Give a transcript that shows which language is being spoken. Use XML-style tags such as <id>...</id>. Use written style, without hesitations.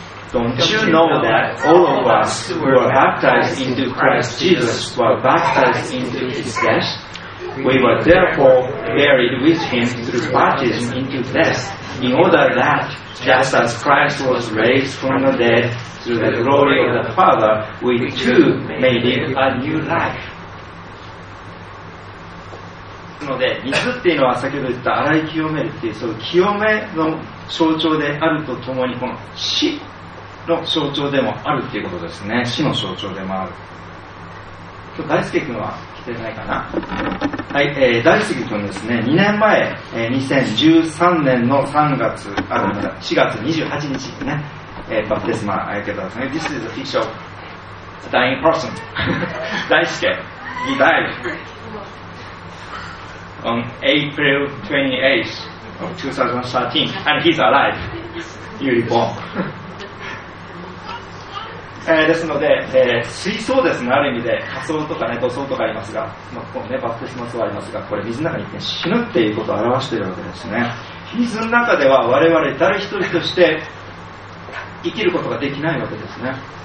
<en>Don't you know that all of us who were baptized into Christ Jesus were baptized into his death? We were therefore buried with him through baptism into death, in order that Just as Christ was raised from the dead through the glory of the Father, we too may live a new life.</en> <ja>ので水っていうのは先ほど言った洗い清めるっていうその清めの象徴であるとともにこの死の象徴でもあるっていうことですね。死の象徴でもある。今日大輔君は来てないかな。はい、大輔君ですね、2年前、2013年の4月28日にね、バプテスマあやけたんですね。</ja> <en>This is a picture dying person 大輔 he died on April 28th of 2013 and he's alive. You're born.</en> <ja>ですので、水槽ですね、ある意味で火葬とかね、土葬とかありますが、まあ、このね、バプテスマ葬ありますが、これ水の中に、ね、死ぬっていうことを表しているわけですね。水の中では我々誰一人として生きることができないわけですね。</ja>